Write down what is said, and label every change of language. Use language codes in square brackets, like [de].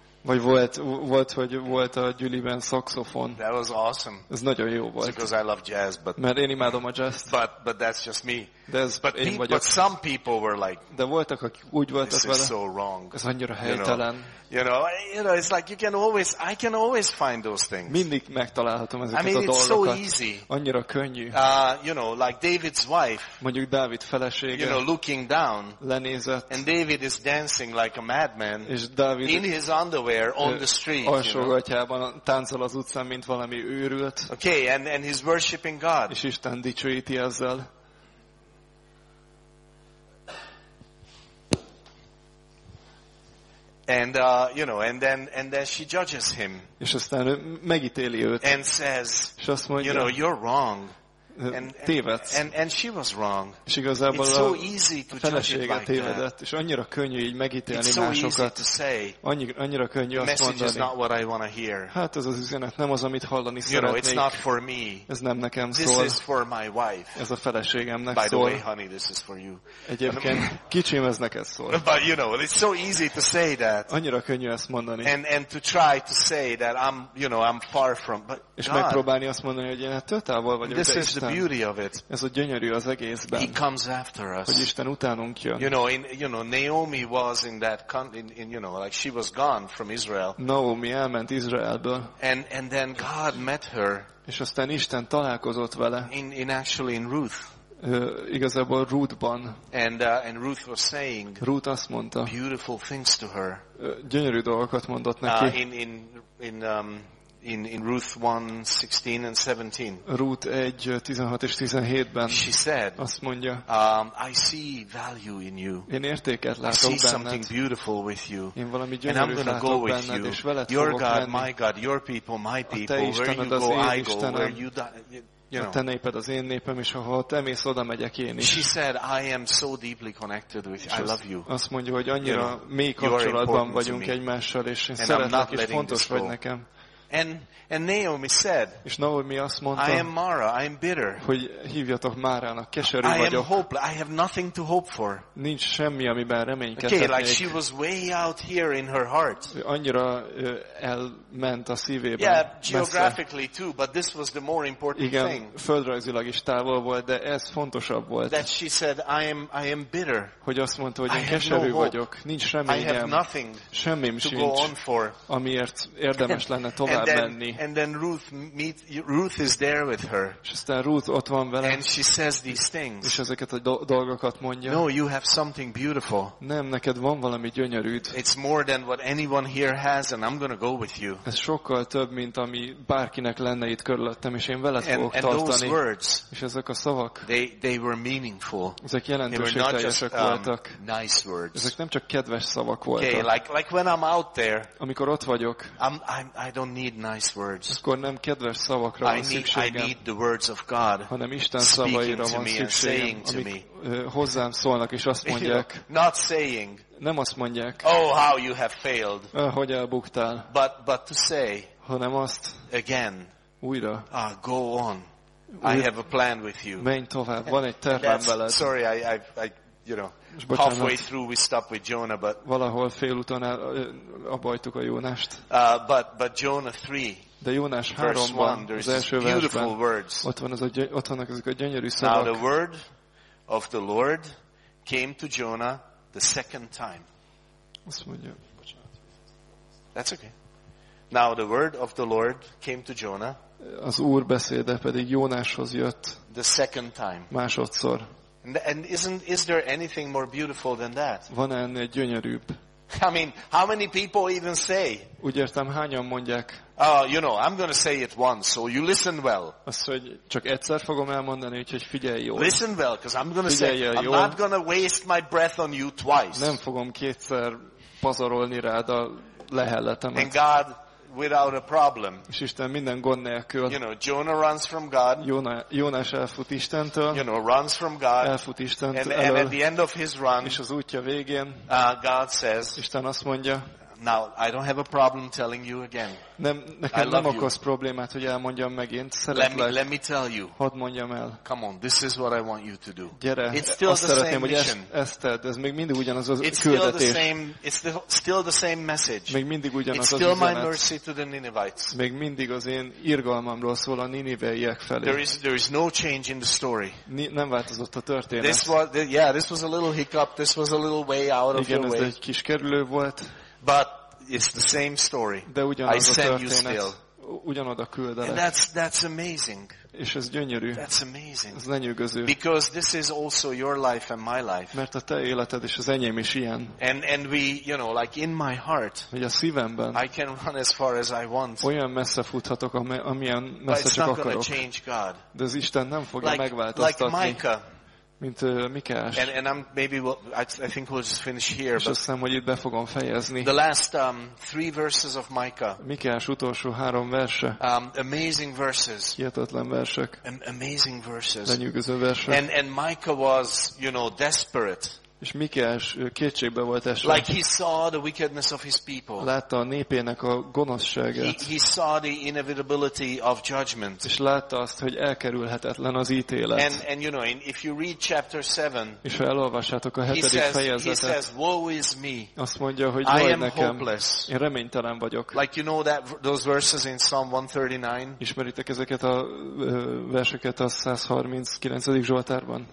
[hu] Vagy volt a gyűliben saxofon. [en] That was awesome. [hu] Ez nagyon jó volt. [en] Because I love jazz, but. [hu] Mert én imádom a jazz. [en] But that's just me. [hu] De ez [en] but [hu] én vagyok. [en] But some people were like. [hu] De voltak, akik úgy voltak vele. [en] This is so wrong. [hu] Ez annyira helytelen. [en] You know, it's like I can always find those things. [hu] Mindig megtalálhatom ezeket a dolgokat. [en] I mean, it's so easy. [hu] Annyira könnyű. [en] Like David's wife. [hu] Mondjuk Dávid felesége. [en] You know, looking down. [hu] Lenézett. [en] And David is dancing like a madman. [hu] És Dávid. [en] In his underwear on the street. [hu] Alsógatyában táncol az utcán, mint valami őrült. [en] Okay, and he's worshiping God. [hu] És Isten dicsőíti ezzel. [en] And and then she judges him. [hu] És aztán megítéli őt. [en] And says, [hu] és azt mondja, [en] you're wrong. [hu] Tévedsz. [en] And she was wrong. [hu] És igazából [en] it's so easy to judge [hu] a felesége tévedett, és annyira könnyű így megítélni másokat. Annyira könnyű [en] the [hu] azt mondani. [en] Is not what I wanna hear. [hu] Hát ez az üzenet nem az, amit hallani [en] you [hu] szeretnék. [en] It's not for me. [hu] Ez nem nekem [en] this [hu] szól. [en] Is for my wife. [hu] Ez a feleségemnek [en] by [hu] szól. [en] By the way, honey, this is for you. [hu] Egyébként kicsim, ez neked szól. [en] But it's so easy to say that. [hu] Annyira könnyű ezt mondani. [en] And to try to say that I'm far from. But [hu] és megpróbálni azt mondani, hogy én ettől távol vagyok. [en] Beauty of it. [hu] Ez a gyönyörű az egészben. [en] He comes after us. [hu] Hogy Isten utánunk jön. [en] Naomi was in that like she was gone from Israel. [hu] Naomi elment Izraelből. [en] And then God met her. [hu] És aztán Isten találkozott vele. [en] In Ruth. [hu] Igazából Ruthban. [en] And Ruth was saying. [hu] Ruth azt mondta. [en] Beautiful things to her. [hu] Gyönyörű dolgokat mondott neki. [en] In in Ruth 1:16 and 17. [hu] Ruth 1:16 és 17-ben. [en] She said, [hu] azt mondja, [en] I see value in you. [hu] Én értéket látok benned. [en] Something beautiful with you. [hu] Én valami gyönyörűt látok benned, [en] go with you. [hu] És veled fogok [en] your God, [hu] menni. [en] My God, your people, my people, where you go, I go, [hu] Istenem. [en] Where you die. You know. [hu] A te néped az én népem, és ha te mész, oda megyek én is. [en] She said, I am so deeply connected with you. I love you. [hu] Azt mondja, hogy annyira mély kapcsolatban vagyunk egymással, és én szeretlek, és fontos vagy nekem. [en] And Naomi said, [hu] és Naomi azt mondta, [en] I am Mara, I am bitter. [hu] Hogy hívjatok Márának, keserű vagyok. [en] I am hopeless, I have nothing to hope for. [hu] Nincs semmi, amiben reménykedhetnék. [en] Okay, like she was way out here in her heart. [hu] Annyira elment a szívében. [en] Yeah, geographically too, but this was the more important thing. [hu] Igen, földrajzilag is távol volt, de ez fontosabb volt. [en] That she said, I am bitter. [hu] Hogy azt mondta, hogy én keserű vagyok, nincs reményem. [en] I have nothing. [hu] Semmim [en] to go on for. [hu] Amiért érdemes lenne tovább. [en] And then Ruth is there with her. [hu] És aztán Ruth ott van vele. [en] And she says these things. [hu] És ezeket a dolgokat mondja. [en] No, you have something beautiful. [hu] Nem, neked van valami gyönyörűt. [en] It's more than what anyone here has, and I'm going to go with you. [hu] Ez sokkal több, mint ami bárkinek lenne itt körülöttem, és én veled fogok [en] and [hu] tartani. [en] And those words. [hu] És ezek a szavak. [en] They were meaningful. [hu] Ezek jelentőségteljesek voltak. [en] Nice words. [hu] Ezek nem csak kedves szavak voltak. [en] Okay, like when I'm out there. [hu] Amikor ott vagyok. [en] I don't need nice words. [hu] Akkor nem kedves szavakra van szükségem. [en] I need the words of God. [hu] Hanem Isten szavaira van szükségem, amik hozzám szólnak és azt mondják. [en] Not saying. [hu] Nem azt mondják. [en] Oh, how you have failed. [hu] Hogy elbuktál. [en] But to say. [hu] Hanem azt. [en] Again. [hu] Újra. [en] Go on. I have a plan with you. [hu] Menj tovább. Van egy tervem veled. [en] Sorry, I you know. Halfway through we stop with Jonah, but [hu] valahol félúton abbajtuk a Jónást. [en] But Jonah 3. [hu] De Jónás 3-ban, az első versben, ott vannak ezek a gyönyörű szavak. [en] Now the word of the Lord came to Jonah the second time. [hu] Azt mondja. [en] That's okay. Now the word of the Lord came to Jonah. [hu] Az Úr beszéde pedig Jónáshoz jött. [en] The second time. [hu] Másodszor. [en] And is there anything more beautiful than that? [hu] Van-e ennél gyönyörűbb? [en] I mean, how many people even say? [hu] Úgy értem, hányan mondják? [en] You know, I'm going to say it once, so you listen well. [hu] Azt, hogy csak egyszer fogom elmondani, úgyhogy figyelj jól. [en] Listen well, because I'm going to say [hu] jól. [en] I'm not going to waste my breath on you twice. [hu] Nem fogom kétszer pazarolni rád a lehelletemet. [en] And God, without a problem. [hu] És Isten minden gond nélkül. [en] You know, Jonah runs from God. [hu] Jónás elfut Istentől. [en] You know, runs from God. [hu] Elfut Istentől. [en] And at the end of his run. [hu] És az útja végén. [en] God says. [hu] Isten azt mondja. [en] Now, I don't have a problem telling you again. [hu] Nem, nekem nem okoz problémát, hogy elmondjam megint. Szeretlek. [en] Let me tell you. [hu] Hadd mondjam el. [en] Come on, this is what I want you to do. [hu] Gyere, [en] it's still [hu] azt [en] the [hu] szeretném, [en] same [hu] hogy ezt tedd. Ez még mindig ugyanaz az [en] it's [hu] küldetés. [en] Still the same, it's still the same message. [hu] Még mindig ugyanaz [en] it's [hu] az [en] still [hu] üzenet. [en] My mercy to the Ninevites. [hu] Még mindig az én irgalmamról szól a ninivaiak felé. [en] There is no change in the story. [hu] Nem változott a történet. [en] This was a little hiccup. This was a little way out of your [hu] Igen, ez egy kis kerülő volt. [en] But it's the same story. [hu] De ugyanaz a történet. Ugyanoda küldelek. [en] And that's amazing. [hu] És ez gyönyörű. [en] That's amazing. [hu] Ez lenyűgöző. [en] Because this is also your life and my life. [hu] Mert a te életed és az enyém is ilyen. [en] And we, you know, like in my heart. [hu] Hogy a szívemben. [en] I can run as far as I want. [hu] Olyan messze futhatok, amilyen messze csak akarok. [en] But it's not going to change God. [hu] De az Isten nem fogja megváltoztatni. [en] Like Micah. [hu] Mint Mikás. [en] And I'm maybe I think we'll just finish here. [hu] És azt hiszem, hogy itt be fogom fejezni. [en] The last three verses of Micah. [hu] Mikás utolsó három verse. [en] Amazing verses. [hu] Hihetetlen versek. [en] Amazing verses. [hu] Lenyűgöző versek. [en] And Micah was, you know, desperate. [hu] És Mikás kétségbe volt esve. [en] Like he saw the wickedness of his people. [hu] Látta a népének a gonoszságát. [en] He saw the inevitability of judgment. [hu] És látta azt, hogy elkerülhetetlen az ítélet. [en] And you know, if you read chapter 7. [hu] És ha elolvassátok a hetedik fejezetet. [en] He says, woe is me. [hu] Azt mondja, hogy jaj nekem. [en] Hopeless. [hu] Én reménytelen vagyok. [en] Like you know that those verses in Psalm 139. [hu] Ismeritek ezeket a verseket a 139. Zsoltárban?